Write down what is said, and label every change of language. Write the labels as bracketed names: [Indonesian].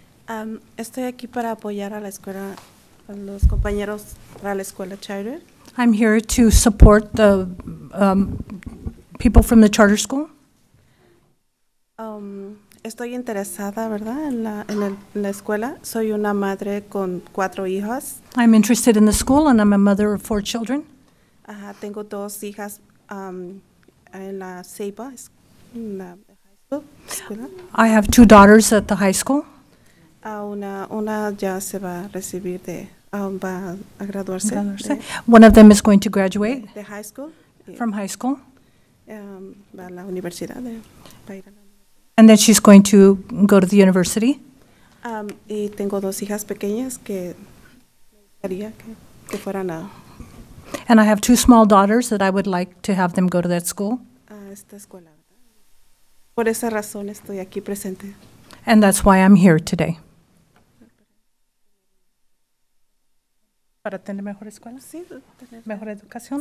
[Spanish] Estoy aquí para apoyar a la escuela, a los compañeros para la escuela charter. [English] I'm here to support the people from the charter school. [Spanish] Estoy interesada, ¿verdad?, en la escuela. Soy una madre con cuatro hijas. [English] I'm interested in the school, and I'm a mother of four children. [Spanish] Tengo dos hijas en la CEPA, en la [English] high school. I have two daughters at the high school. [Spanish] Una ya se va a recibir de, va a graduarse. [English] One of them is going to graduate. De high school. From high school. [Spanish] Va a la universidad. [English] And then she's going to go to the university. [Spanish] Y tengo dos hijas pequeñas que quería que fueran a. [English] And I have two small daughters that I would like to have them go to that school. [Spanish] A esta escuela. Por esa razón estoy aquí presente. [English] And that's why I'm here today. [Spanish] Para tener mejor escuela, sí, tener mejor educación,